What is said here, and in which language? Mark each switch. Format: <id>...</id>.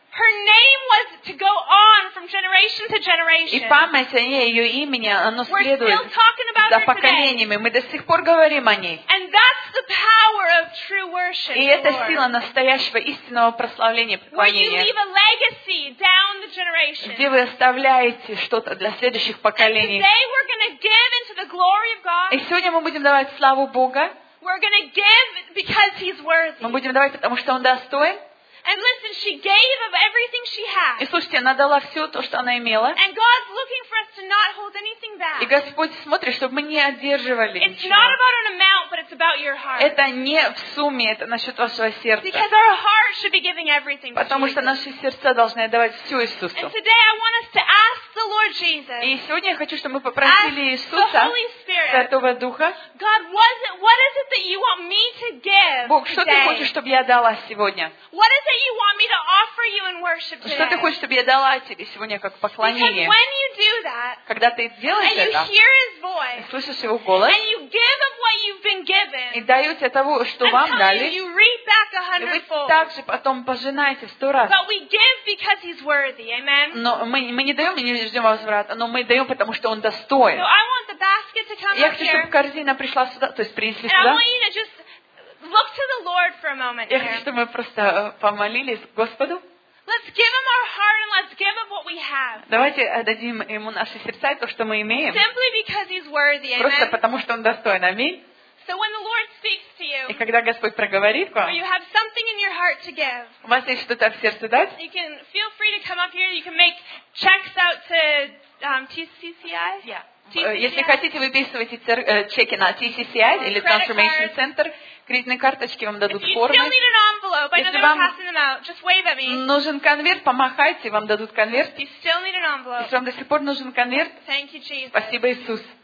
<en>Her name was to go on from generation to generation.</en> <ru>И память о ней, ее имени, оно следует.</ru> <en>We're still talking about her today.</en> <ru>За поколениями мы до сих пор говорим о ней.</ru> <en>And that's the power of true worship.</en> <ru>И это сила настоящего истинного прославления, поклонения.</ru> <en>When you leave a legacy down the generation.</en> <ru>Где вы оставляете что-то для следующих поколений.</ru> <en>And today we're going to give into the glory of God.</en> <ru>И сегодня мы будем давать славу Бога.</ru> <en>We're going to give because He's worthy.</en> <ru>Мы будем давать, потому что Он достоин.</ru> <en>And listen, she gave of everything she had.</en> <ru>И слушайте, она дала все то, что она имела.</ru> <en>And God's looking for us to not hold anything back.</en> <ru>И Господь смотрит, чтобы мы не одерживали ничего.</ru> <en>It's not about an amount, but it's about your heart.</en> <ru>Это не в сумме, это насчет вашего сердца.</ru> <en>Because our heart should be giving everything to Jesus.</en> <ru>Потому что наши сердца должны отдавать все Иисусу.</ru> <en>And today I want us to ask the Lord Jesus.</en> <ru>И сегодня я хочу, чтобы мы попросили Иисуса, Святого Духа.</ru> <en>God, what is it that you want me to give?</en> <ru>Бог, что ты хочешь, чтобы я дала сегодня?</ru> <en>What is it you want me to offer you in worship today?</en> <ru>Что ты хочешь, чтобы я дала тебе сегодня как поклонение?</ru> <en>Because when you do that,</en> <ru>когда ты делаешь это,</ru> <en>and you hear His voice,</en> <ru>и слышишь Его голос,</ru> <en>and you give of what you've been given,</en> <ru>и даете того, что вам дали,</ru> <en>you reap back a hundredfold.</en> <ru>И вы также потом пожинаете в сто раз.</ru> <en>But we give because He's worthy, amen.</en> <ru>Но мы не даем, не ждем возврата, но мы даем, потому что Он достоин.</ru> <en>So I want the basket to come up here.</en> <ru>Я хочу, чтобы корзина пришла сюда, то есть принесли сюда.</ru> <en>Look to the Lord for a moment.</en> <ru>Я хочу, чтобы мы просто помолились Господу.</ru> <en>Let's give Him our heart and let's give Him what we have.</en> <ru>Давайте отдадим Ему наши сердца и то, что мы имеем.</ru> <en>Simply because He's worthy.</en> <ru>Просто потому, что Он достоин. Аминь.</ru> <en>So when the Lord speaks to you,</en> <ru>и когда Господь проговорит вам,</ru> <en>you have something in your heart to give.</en> <ru>У вас есть что-то в сердце дать?</ru> <en>You can feel free to come up here. You can make checks out to TCCI. Yeah.</en> <ru>Если хотите, выписывайте чеки на TCCI или Transformation Center. Кредитные карточки вам дадут формы. Если вам нужен конверт, помахайте, вам дадут конверт. Если вам до сих пор нужен конверт, спасибо, Иисус.</ru>